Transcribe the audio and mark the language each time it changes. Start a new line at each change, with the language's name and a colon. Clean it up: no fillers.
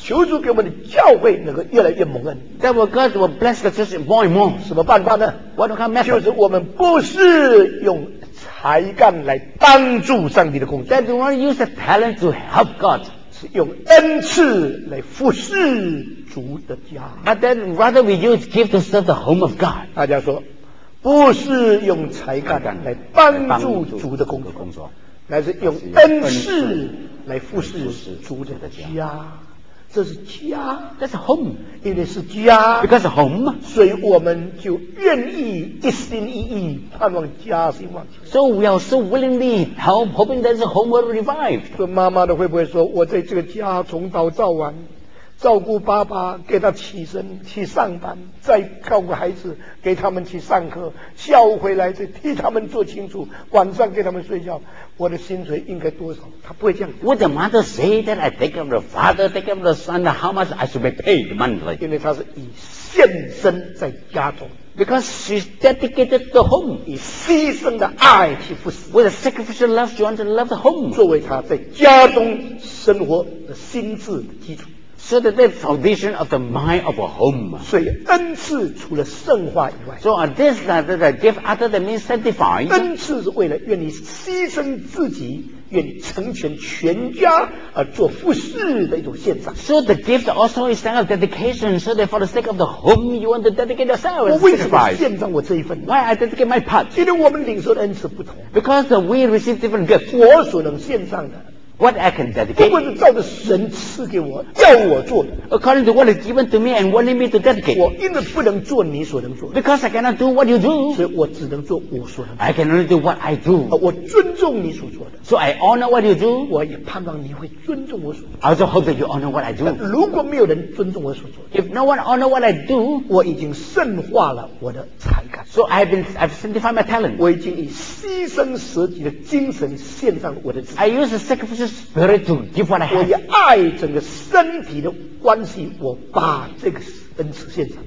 Chinese: 求主给我们的教会能够越来越蒙恩。
English: That will God will bless the church more and more.
Chinese: 什么办法呢
English: ？What kind of method?
Chinese: 就是我们不是用才干来帮助上帝的工作。
English: That we want to use the talent to help God.
Chinese: 是用恩赐来服侍。
English: But then rather we use gift to serve the home of God.
Chinese: 大家说，不是用才干来帮助主的工作，乃是用恩赐来服侍主的家。这是家
English: ，That's home.
Chinese: 因为是家
English: ，Because home，
Chinese: 所以我们就愿意一心一意盼望家兴旺。
English: So we are so willingly hoping that the home will revive.
Chinese: 说妈妈的会不会说，我在这个家从早到晚。照顾爸爸给他起身去上班再照顾孩子给他们去上课下午回来再替他们做清楚晚上给他们睡觉我的薪水应该多少他不会这样
English: Would the mother say that I take care of the father take care of the son how much I should be paid monthly
Chinese: 因为他是以献身在家中
English: Because she's dedicated the home
Chinese: 以牺牲的爱去服侍
English: With a sacrificial love she wants to love the home
Chinese: 作为他在家中生活的心智的基础
English: So that the foundation of the mind of a home.
Chinese: 所以恩赐除了圣化以外
English: So this the gift other than means sanctified.
Chinese: 恩赐是为了愿意牺牲自己愿意成全全家而做服侍的一种献上
English: So the gift also is a sign of dedication. So that for the sake of the home, you want to dedicate yourself.
Chinese: 我为什么献上我这一份
English: Why I dedicate my part?
Chinese: 因为我们领受的恩赐不同
English: Because we receive different gifts.
Chinese: 我所能献上的
English: What I can dedicate.
Chinese: 不管是照着神赐给我，叫我做的。
English: According to what is given to me and wanting me to dedicate.
Chinese: 我因为不能做你所能做的。
English: Because I cannot do what you do.
Chinese: 所以我只能做我所能做。
English: I can only do what I do.
Chinese: 我尊重你所做的。
English: So I honor what you do.
Chinese: 我也盼望你会尊重我所做的。
English: I also hope that you honor what I do.
Chinese: 如果没有人尊重我所做的。
English: If no one honor what I do.
Chinese: 我已经圣化了我的才干。
English: So I've sanctified my talent.
Chinese: 我已经以牺牲舍己的精神献上我的自己。
English: I use the sacrifice Spirit to give what I have.
Chinese: 我以爱整个身体的关系，我把这个恩赐献上。